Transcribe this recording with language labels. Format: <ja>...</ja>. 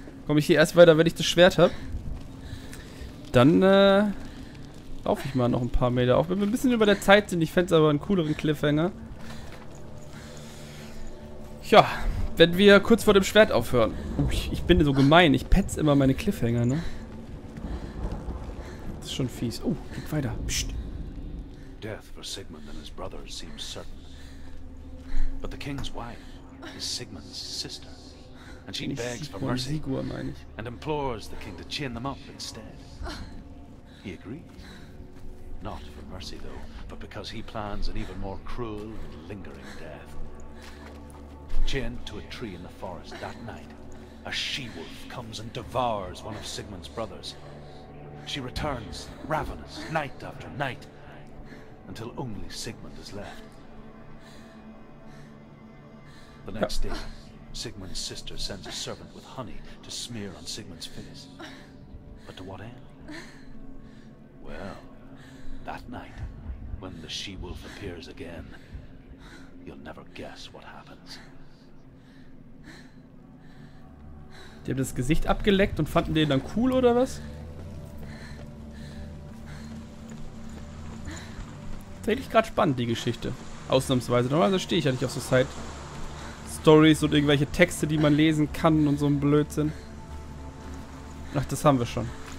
<de>Komme ich hier erst weiter, wenn ich das Schwert habe? Dann, laufe ich mal noch ein paar Meter auf. Wenn wir ein bisschen über der Zeit sind, ich fände es aber einen cooleren Cliffhanger. Tja, wenn wir kurz vor dem Schwert aufhören. Ich bin so gemein, ich petze immer meine Cliffhanger, ne? Das ist schon fies. Oh, geht weiter. Psst.</de> <en>Death for Sigmund and his brothers seems certain. But the king's wife is Sigmund's sister. And she begs for mercy.</en> <de>Sigur, meine ich.</de> <en>And implores the king to chain them up instead. He agrees. Not for mercy though, but because he plans an even more cruel and lingering death. Chained to a tree in the forest that night, a she-wolf comes and devours one of Sigmund's brothers. She returns, ravenous, night after night, until only Sigmund is left. The next day, Sigmund's sister sends a servant with honey to smear on Sigmund's face. But to what end? Well, that night, when the she-wolf appears again, you'll never guess what happens.</en> <de>Die haben das Gesicht abgeleckt und fanden den dann cool, oder was? Tatsächlich gerade spannend, die Geschichte. Ausnahmsweise. Normalerweise stehe ich ja nicht auf so Side-Stories und irgendwelche Texte, die man lesen kann und so ein Blödsinn. Ach, das haben wir schon.</de>